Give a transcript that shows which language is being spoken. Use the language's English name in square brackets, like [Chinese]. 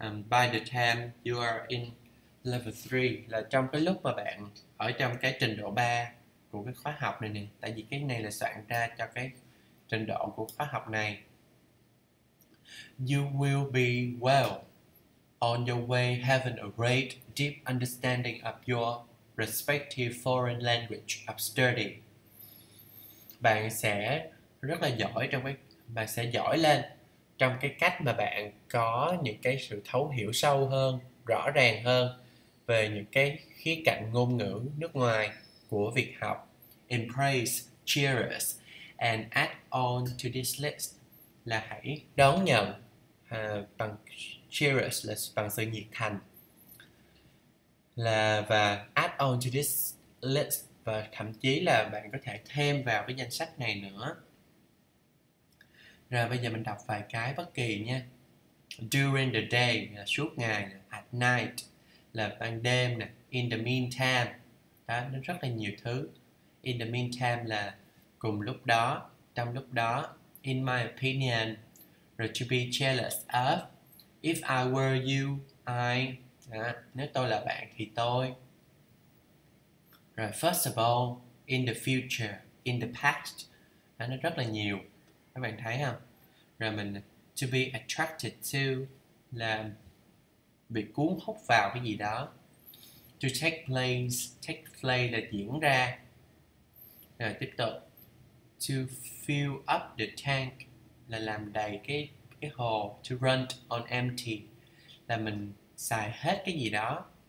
[English] by the time you are in level 3, [Vietnamese] là trong cái lúc mà bạn ở trong cái trình độ 3 của cái khóa học này nè, tại vì cái này là soạn ra cho cái trình độ của khóa học này, [English] you will be well on your way having a great deep understanding of your respective foreign language of study. [Vietnamese] Bạn sẽ rất là giỏi trong cái, bạn sẽ giỏi lên trong cái cách mà bạn có những cái sự thấu hiểu sâu hơn, rõ ràng hơn về những cái khía cạnh ngôn ngữ nước ngoài của việc học. [English] Embrace, cheer us, and add on to this list. [Vietnamese] Là hãy đón nhận bằng cheers, là bằng sự nhiệt thành, là và [English] add on to this list, [Vietnamese] và thậm chí là bạn có thể thêm vào cái danh sách này nữa. Rồi bây giờ mình đọc vài cái bất kỳ nha. [English] During the day [Vietnamese] là suốt ngày, [English] at night [Vietnamese] là ban đêm nè, [English] in the meantime [Vietnamese] đó, nó rất là nhiều thứ. [English] In the meantime [Vietnamese] là cùng lúc đó, trong lúc đó. [English] In my opinion, rồi to be jealous of. If I were you, I. [Vietnamese] À, nếu tôi là bạn thì tôi. [English] Rồi, first of all, in the future, in the past. [Vietnamese] À, nó rất là nhiều. Các bạn thấy không? Rồi mình, [English] to be attracted to, [Vietnamese] là bị cuốn hút vào cái gì đó. [English] To take place [Vietnamese] là diễn ra. Rồi, tiếp tục. [English] To fill up the tank, [Vietnamese] là làm đầy cái hồ, [English] to run on empty, [Vietnamese] là mình xài hết cái gì đó.